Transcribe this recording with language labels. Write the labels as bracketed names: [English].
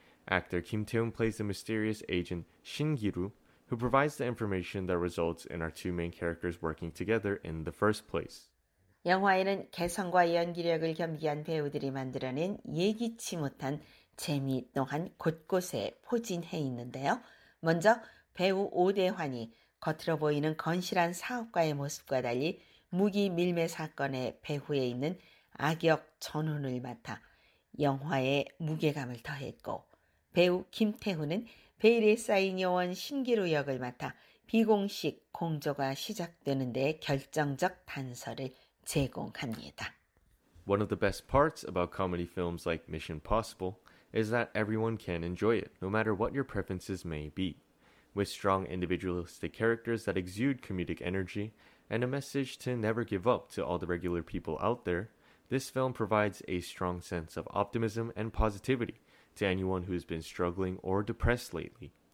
[English] Actor Kim Tae-hoon plays the mysterious agent Shin Gi-ru, who provides the information that results in our two main characters working together in the first place. [Korean] 영화에는 개성과 연기력을 겸비한 배우들이 만들어낸 예기치 못한 재미 또한 곳곳에 포진해 있는데요. 먼저 배우 오대환이 겉으로 보이는 건실한 사업가의 모습과 달리 무기 밀매 사건의 배후에 있는 악역 전훈을 맡아 영화에 무게감을 더했고 배우 김태훈은 베일에 쌓인 요원 신기루 역을 맡아 비공식 공조가 시작되는 데 결정적 단서를 제공합니다. [English] One of the best parts about comedy films like Mission Possible is that everyone can enjoy it, no matter what your preferences may be. With strong individualistic characters that exude comedic energy and a message to never give up to all the regular people out there, this film provides a strong sense of optimism and positivity to anyone who has been struggling or depressed lately.